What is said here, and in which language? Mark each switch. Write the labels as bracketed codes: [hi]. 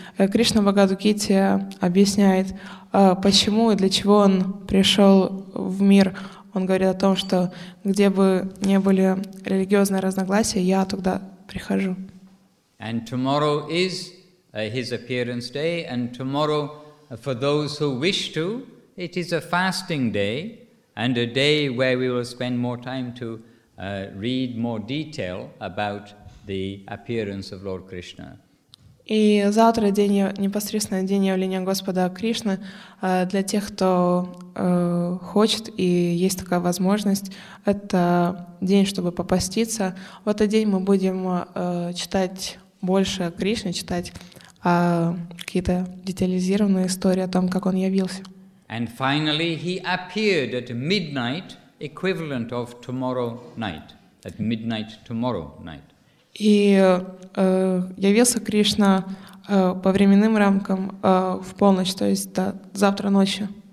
[ru] Кришна Бхагавад-гите объясняет, почему и для чего он пришел в мир. Он говорит о том, что где бы ни были религиозные разногласия, я туда прихожу. [en] And tomorrow is his appearance day, and tomorrow, for those who wish to, it is a fasting day, and a day where we will spend more time to read more detail about the appearance of Lord Krishna. [ru] И завтра день, непосредственно день явления Господа Кришны, для тех, кто хочет и есть такая возможность, это день, чтобы попоститься. В этот день мы будем читать больше Кришны, читать какие-то детализированные истории о том, как он явился. [en] And finally he appeared at midnight, equivalent of tomorrow night. At midnight tomorrow night. [ru] И явился Кришна по временным рамкам в полночь, то есть до завтра ночью.